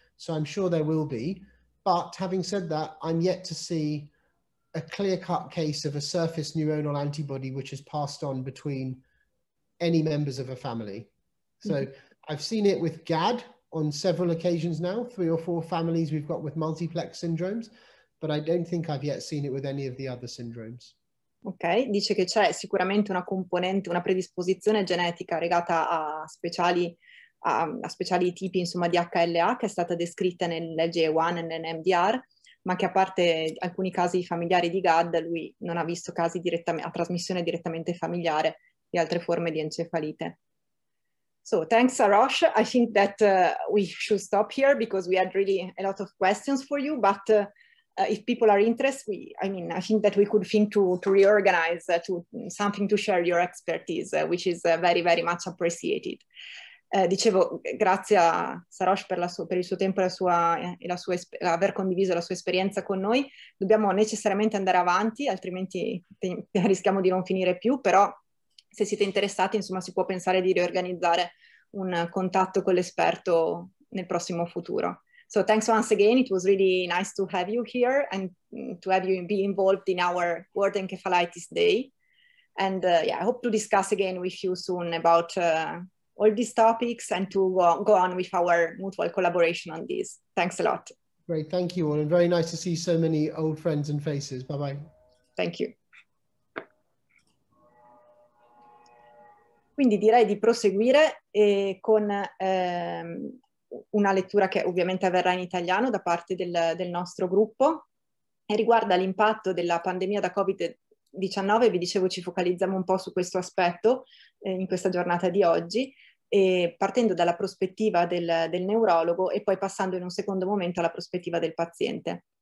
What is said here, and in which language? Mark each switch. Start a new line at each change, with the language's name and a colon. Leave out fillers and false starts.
English: So I'm sure there will be, but having said that, I'm yet to see a clear-cut case of a surface neuronal antibody which is passed on between any members of a family. So I've seen it with GAD on several occasions now, 3 or 4 families we've got with multiplex syndromes, but I don't think I've yet seen it with any of the other syndromes.
Italian: Ok, dice che c'è sicuramente una componente, una predisposizione genetica legata a speciali tipi, insomma, di HLA che è stata descritta nell'LGA1 e nell'MDR, ma che a parte alcuni casi familiari di GAD, lui non ha visto casi a trasmissione direttamente familiare di altre forme di encefalite.
English: So, thanks, Arosh. I think that we should stop here because we had really a lot of questions for you, but if people are interested, I think that we could think to reorganize to something to share your expertise, which is very, very much appreciated.
Italian: Dicevo, grazie a Sarosh per il suo tempo e aver condiviso la sua esperienza con noi. Dobbiamo necessariamente andare avanti, altrimenti rischiamo di non finire più, però se siete interessati, insomma, si può pensare di riorganizzare un contatto con l'esperto nel prossimo futuro.
English: So thanks once again, it was really nice to have you here and to have you be involved in our World Encephalitis Day. And yeah, I hope to discuss again with you soon about all these topics and to go on with our mutual collaboration on these. Thanks a lot. Great, thank you all, and very nice to see so many old friends and faces. Bye-bye. Thank you.
Italian: Quindi direi di proseguire con una lettura che ovviamente avverrà in italiano da parte del nostro gruppo e riguarda l'impatto della pandemia da Covid-19. Vi dicevo, ci focalizziamo un po' su questo aspetto in questa giornata di oggi, e partendo dalla prospettiva del neurologo e poi passando in un secondo momento alla prospettiva del paziente.